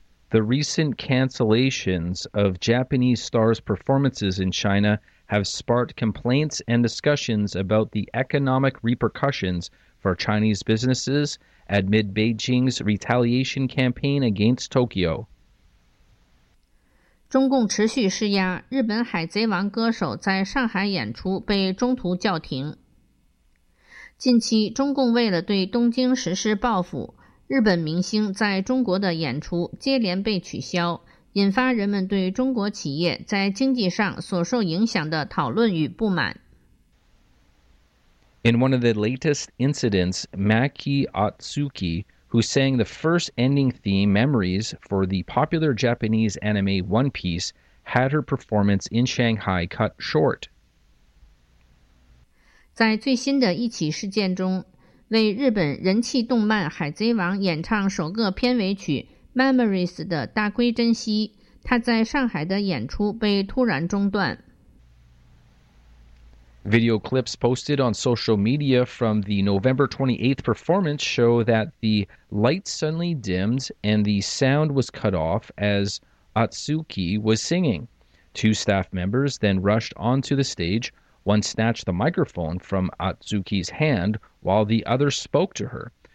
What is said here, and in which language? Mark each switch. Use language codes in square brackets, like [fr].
[en] The recent cancellations of Japanese stars' performances in China have sparked complaints and discussions about the economic repercussions for Chinese businesses amid Beijing's retaliation campaign against Tokyo. [zh] 中共持续施压，日本海贼王歌手在上海演出被中途叫停。近期，中共为了对东京实施报复，日本明星在中国的演出接连被取消，引发人们对中国企业在经济上所受影响的讨论与不满。 [en] In one of the latest incidents, Maki Otsuki,who sang the first ending theme, Memories, for the popular Japanese anime One Piece, had her performance in Shanghai cut short. [zh] 在最新的一起事件中，为日本人气动漫《海贼王》演唱首个片尾曲《Memories》的大龟珍希，他在上海的演出被突然中断。 [en] Video clips posted on social media from the November 28th performance show that the light suddenly dimmed and the sound was cut off as Otsuki was singing. Two staff members then rushed onto the stage. One snatched the microphone from Atsuki's hand while the other spoke to her.